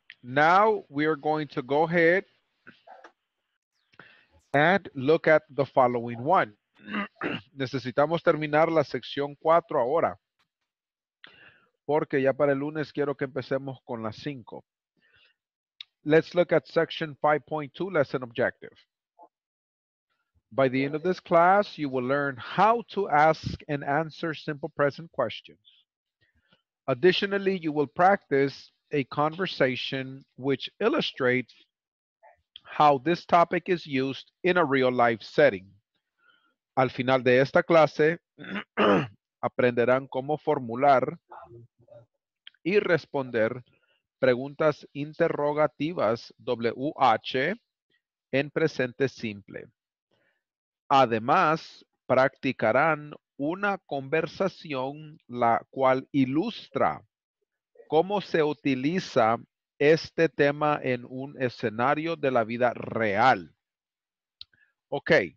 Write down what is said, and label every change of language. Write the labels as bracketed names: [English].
[English] Now we are going to go ahead and look at the following one. [Spanish] Necesitamos terminar la sección 4 ahora. Porque ya para el lunes quiero que empecemos con la 5. [English] Let's look at section 5.2, lesson objective. By the end of this class, you will learn how to ask and answer simple present questions. Additionally, you will practice a conversation which illustrates how this topic is used in a real life setting. [Spanish] Al final de esta clase, aprenderán cómo formular y responder preguntas interrogativas WH en presente simple. Además, practicarán una conversación la cual ilustra cómo se utiliza este tema en un escenario de la vida real. Ok.